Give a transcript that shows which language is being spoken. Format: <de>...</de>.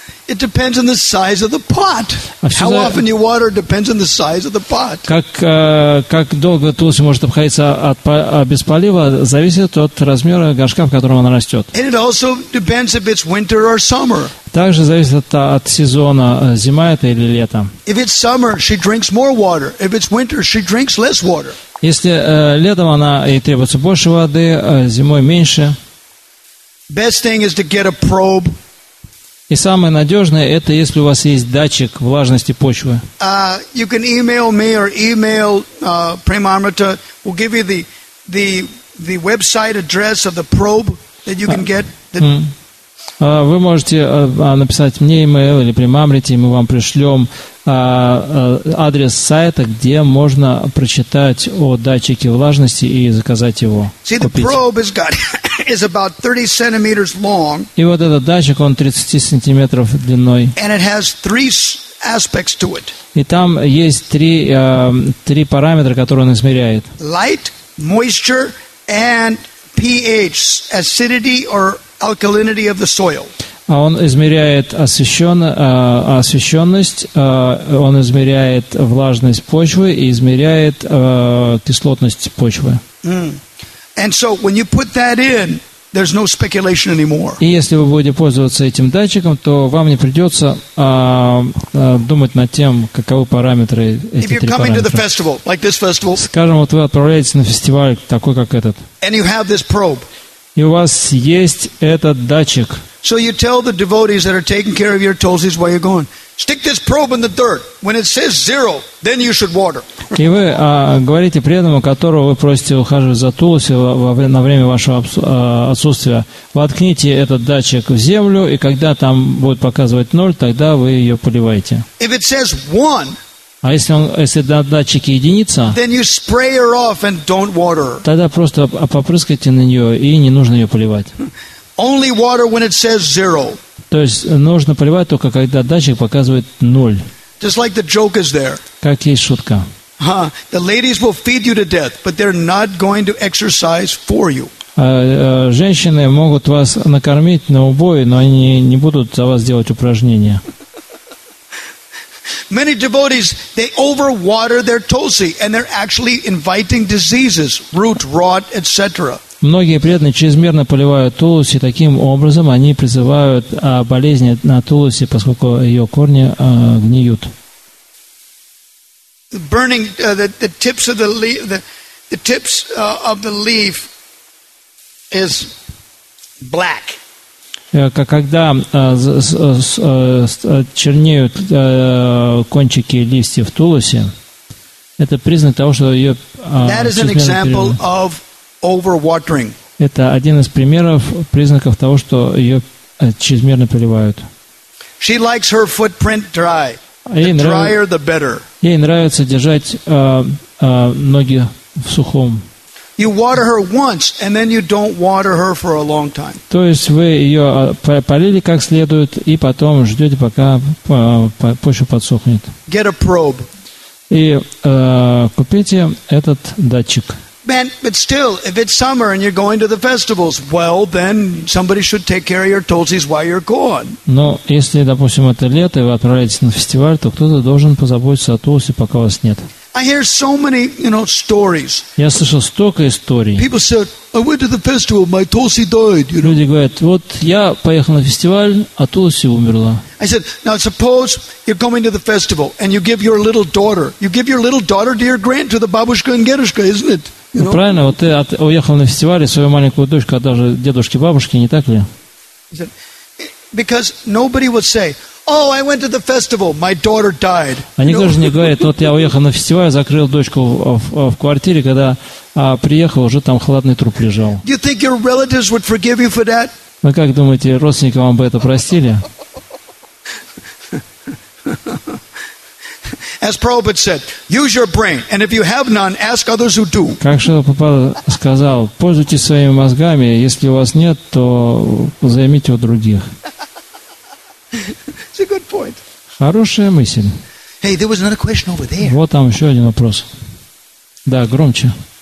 <en>It depends on the size of the pot. How often you water depends on the size of the pot.</en> <ru>Как долго тулоси может обходиться без полива, зависит от размера горшка, в котором она растет.</ru> <en>And it also depends if it's winter or summer.</en> <ru>Также зависит от сезона, зима это или лето.</ru> <en>If it's summer, she drinks more water. If it's winter, she drinks less water.</en> <ru>Если летом она ей требуется больше воды, зимой меньше.</ru> <en>Best thing is to get a probe.</en> <ru>И самое надежное, это если у вас есть датчик влажности почвы.</ru> <en>You can email me or email Premamrita. We'll give you the website address of the probe that you can get.</en> <ru>Вы можете написать мне email или Premamrita, и мы вам пришлем адрес сайта, где можно прочитать о датчике влажности и заказать его.</ru> <en>See, the probe is got is about 30 centimeters long.</en> <ru>И вот этот датчик, он 30 сантиметров длиной.</ru> <en>And it has three aspects to it.</en> <ru>И там есть три параметра, которые он измеряет.</ru> <en>Light, moisture, and pH, acidity or alkalinity of the soil.</en> <ru>А он измеряет освещенность, он измеряет влажность почвы и измеряет кислотность почвы.</ru> <en>And so when you put that in, there's no speculation anymore.</en> <ru>И если вы будете пользоваться этим датчиком, то вам не придется думать над тем, каковы параметры этих</ru> <en>If you're coming to the festival, like this festival,</en> <ru>скажем, вот вы отправляетесь на фестиваль такой, как этот,</ru> <en>and you have this probe,</en> <ru>и у вас есть этот датчик.</ru> <en>So you tell the devotees that are taking care of your tulsis while you're going, stick this probe in the dirt. When it says zero, then you should water.</en> <ru>И вы говорите преданному, которого вы просите ухаживать за тулси на время вашего отсутствия, воткните этот датчик в землю, и когда там будет показывать ноль, тогда вы ее поливаете.</ru> <en>If it says one,</en> <ru>а если он, если на датчике единица,</ru> <en>then you spray her off and don't water.</en> <ru>Тогда просто попрыскайте на нее, и не нужно ее поливать.</ru> <en>Only water when it says zero.</en> <ru>То есть нужно поливать только когда датчик показывает ноль.</ru> <en>Just like the joke is there.</en> <ru>Как есть шутка. Huh?</ru> <en>The ladies will feed you to death, but they're not going to exercise for you.</en> <ru>Женщины могут вас накормить на убой, но они не будут за вас делать упражнения.</ru> <en>Many devotees, they overwater their tulsi, and they're actually inviting diseases, root rot, etc.</en> <ru>Многие преданные чрезмерно поливают тулуси, таким образом они призывают болезни на тулуси, поскольку ее корни гниют.</ru> <en>Burning the tips of the leaf, the tips of the leaf is black.</en> <ru>Когда чернеют кончики листьев тулуси, это признак того, что ее чрезмерно переливают. Overwatering. Это один из примеров признаков того, что ее чрезмерно поливают.</ru> <en>She likes her footprint dry. The drier, the better.</en> <ru>Ей нравится держать ноги в сухом.</ru> <en>You water her once, and then you don't water her for a long time.</en> <ru>То есть вы ее полили как следует, и потом ждете, пока почва подсохнет.</ru> <en>Get a probe.</en> <ru>И купите этот датчик.</ru> <en>Man, but still, if it's summer and you're going to the festivals, well, then somebody should take care of your tulsis while you're gone.</en> <ru>Но если, допустим, это лето, и вы отправляетесь на фестиваль, то кто-то должен позаботиться о тулсе, пока вас нет.</ru> <en>I hear so many, you know, stories.</en> <ru>Я слышал столько историй.</ru> <en>People said, I went to the festival, my tulsi died. You know?</en> <ru>Люди говорят, вот я поехал на фестиваль, а тулси умерла.</ru> <en>I said, now suppose you're coming to the festival and you give your little daughter, to your grand, to the</en> <ru>бабушка</ru> <en>and</en> <ru>дедушка,</ru> <en>isn't it? You know?</en> <ru>Правильно, вот ты уехал на фестиваль, и свою маленькую дочку, а даже дедушке, бабушке, не так ли?</ru> <en>Because nobody would say, oh, I went to the festival, my daughter died.</en> <ru>Они даже не говорят, вот я уехал на фестиваль, закрыл дочку в квартире, когда приехал, уже там хладный труп лежал.</ru> <en>Do you think your relatives would forgive you for that?</en> <ru>Вы как думаете, родственники вам бы это простили?</ru> <en>As Prabhupada said, use your brain, and if you have none, ask others who do.</en> <ru>Как Шрила Прабхупада сказал, пользуйтесь своими мозгами, если у вас нет, то займите у других.</ru> <en>It's a good point.</en> <ru>Хорошая мысль.</ru> <en>Hey, there was another question over there.</en> <ru>Вот там еще один вопрос. Да, громче.</ru>